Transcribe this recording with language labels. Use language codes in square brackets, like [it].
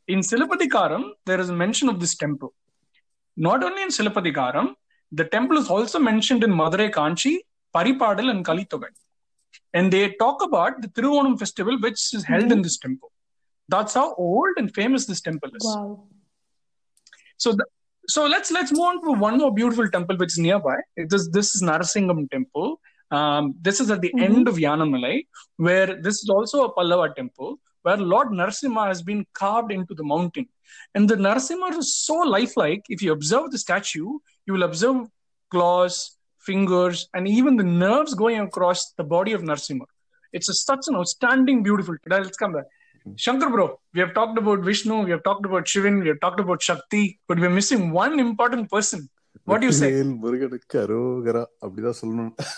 [en] Silappatikaram there is a mention of this temple. Not only in Silappatikaram the temple is also mentioned in Madurai Kanchi Paripadal and Kalithogai. And they talk about the Thiruvonam festival which is held in this temple. That's how old and famous this temple is. Wow. So let's move on to one more beautiful temple which is nearby. This is Narasingham temple. This is at the end of Yanamalai, where this is also a Pallava temple, where Lord Narasimha has been carved into the mountain. And the Narasimha is so lifelike. If you observe the statue, you will observe claws, fingers, and even the nerves going across the body of Narasimha. It's such an outstanding, beautiful temple. Let's come back. Shankar bro, we have talked about Vishnu, we have talked about Shivan, we have talked about Shakti, but we are missing one important person. What do you say? [ta] முருகனுக்கு அரோகர அப்படிதான் சொல்லணும்.